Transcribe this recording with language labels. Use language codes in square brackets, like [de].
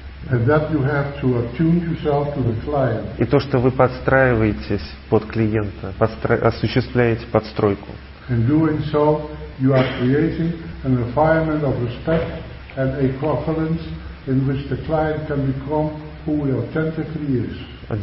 [en] And that you have to attune yourself to the client. [ru] И то, что вы подстраиваетесь под клиента, осуществляете подстройку. [en] In doing so, you are creating an environment of respect and a confidence in which the client can become who he authentically is.